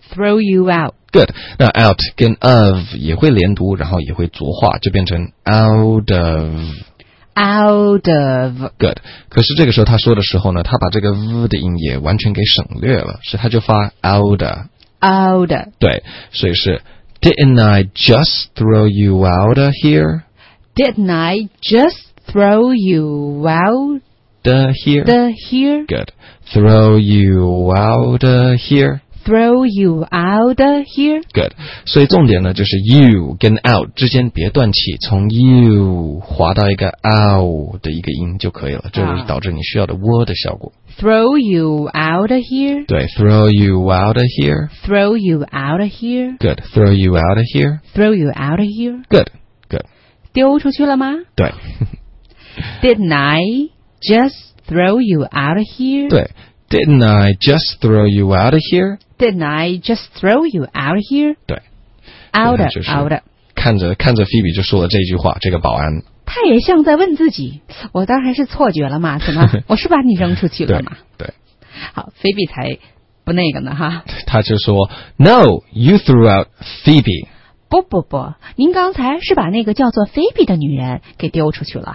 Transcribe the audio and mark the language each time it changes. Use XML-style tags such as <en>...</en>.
<en>Throw you out.</en> <zh>Good. 那 out 跟 of 也会连读，然后也会浊化，就变成 out of.</zh> <en>Out of. Good.</en> <zh>可是这个时候他说的时候呢，他把这个 v 的音也完全给省略了，所以他就发 out of.</zh> <en>Out of.</en> <zh>对，所以是</zh> <en>didn't I just throw you out of here? Didn't I just throw you out? The here. The here. Good. Throw you out of here. Throw you out of here. Good.</en> <zh>所以重点呢，就是 you 跟 out 之间别断气，从 you 滑到一个 out 的一个音就可以了，这就是导致你需要的窝的效果。</zh> <en>Throw you out of here. 对 ，throw you out of here. Throw you out of here. Good. Throw you out of here. Throw you out of here. Good. Good.</en> <zh>丢出去了吗？对。</zh> <en>Didn't I? Just throw you out of here?</en> <zh>对</zh> <en>,didn't I just throw you out of here? Didn't I just throw you out of here?</en> <zh>对</zh> <en>,out of, out of.</en> <zh>看着 Phoebe 就说了这句话，这个保安。他也像在问自己，我当然是错觉了嘛，怎么，我是把你扔出去了嘛。对。好 ,Phoebe 才不那个呢哈。他就说</zh> <en>,No, you threw out Phoebe.</en> <zh>不不不，您刚才是把那个叫做 Phoebe 的女人给丢出去了。</zh>